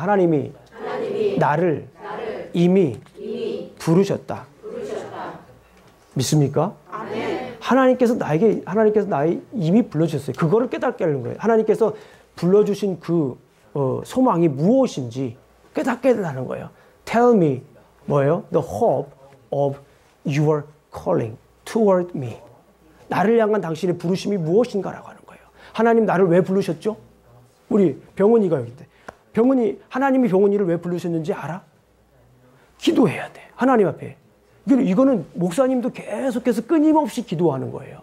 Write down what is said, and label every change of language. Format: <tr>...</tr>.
<ko>하나님이, 나를 이미 부르셨다. 믿습니까? 하나님께서 나에게, 하나님께서 나에 이미 불러주셨어요. 그거를 깨닫게 하는 거예요. 하나님께서 불러주신 그 소망이 무엇인지 깨닫게 하는 거예요.</ko> <en>Tell me,</en> <ko>뭐예요?</ko> <en>The hope of your calling toward me.</en> <ko>나를 향한 당신의 부르심이 무엇인가라고 하는 거예요. 하나님 나를 왜 부르셨죠? 우리 병원이가 여기 있대. 병원이, 하나님이 병원이를 왜 부르셨는지 알아? 기도해야 돼. 하나님 앞에. 이거는 목사님도 계속해서 끊임없이 기도하는 거예요.</ko>